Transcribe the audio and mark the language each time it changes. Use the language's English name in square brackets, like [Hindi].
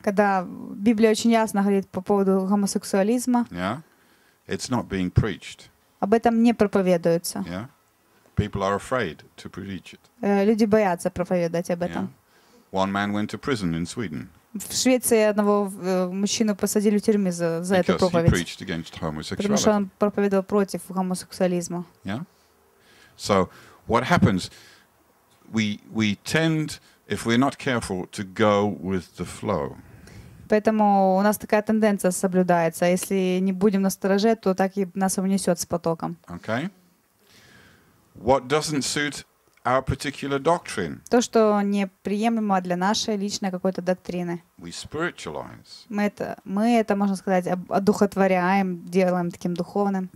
[Russian] Когда Библия очень ясно говорит по поводу гомосексуализма. [English] Yeah, it's not being preached. [Russian] Об этом не проповедуется. [English] Yeah, people are afraid to preach it. [Russian] Люди боятся проповедовать об этом. [English] One man went to prison in Sweden. [Russian] В Швеции одного мужчину посадили в тюрьму за эту проповедь. Потому что он проповедовал против гомосексуализма. [English] Yeah. So what happens? We tend, if we're not careful, to go with the flow. [Russian] Поэтому у нас такая тенденция соблюдается. Если не будем настороже, то так и нас унесет с потоком. [English] Okay. What doesn't suit our particular doctrine. [Russian] То, что неприемлемо для нашей личной какой-то доктрины. [English] We spiritualize. [Russian] Мы это, можно сказать, одухотворяем, делаем таким духовным.